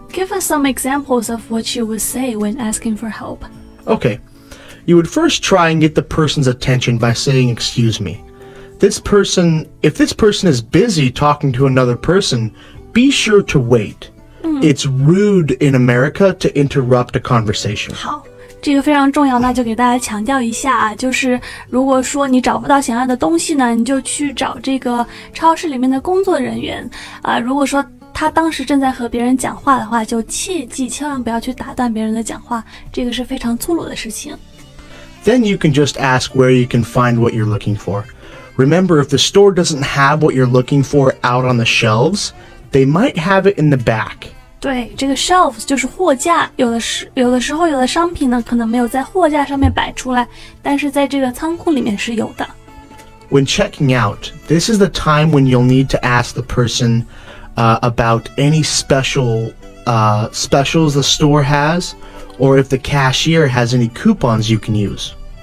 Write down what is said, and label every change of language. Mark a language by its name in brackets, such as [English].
[English] Give us some examples of what you would say when asking for help. Okay. You would first try and get the person's attention by saying, excuse me. If this person is busy talking to another person, be sure to wait. It's rude in America to interrupt a conversation. [Chinese] 好，这个非常重要，那就给大家强调一下啊，就是如果说你找不到想要的东西呢，你就去找这个超市里面的工作人员啊，如果说他当时正在和别人讲话的话，就切记千万不要去打断别人的讲话，这个是非常粗鲁的事情。 [English] Then you can just ask where you can find what you're looking for. Remember, if the store doesn't have what you're looking for out on the shelves, they might have it in the back. [Chinese] 对，这个 shelves 就是货架，有的时候有的商品呢可能没有在货架上面摆出来，但是在这个仓库里面是有的。 [English] When checking out, this is the time when you'll need to ask the personabout any specials the store has, or if the cashier has any coupons you can use.